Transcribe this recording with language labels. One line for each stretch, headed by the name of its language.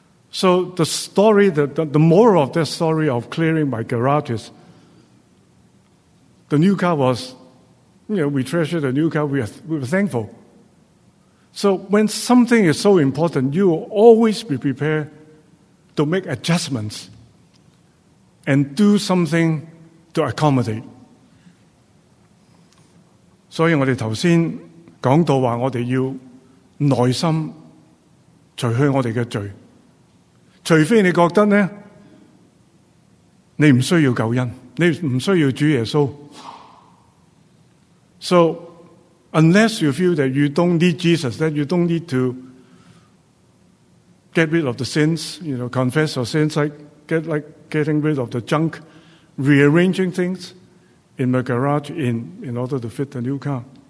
English: So the story, the moral of that story of clearing my garages, the new car was, you know, we treasure the new car, we were thankful. So when something is so important, you will always be prepared to make adjustments and do something to accommodate.
Cantonese: 所以我哋头先讲到话，我哋要耐心除去我哋嘅罪。除非你觉得呢，你唔需要救恩，你唔需要主耶稣。
English: So, unless you feel that you don't need Jesus, that you don't need to get rid of the sins, you know, confess your sins, like getting rid of the junk, rearranging things in my garage in order to fit the new car.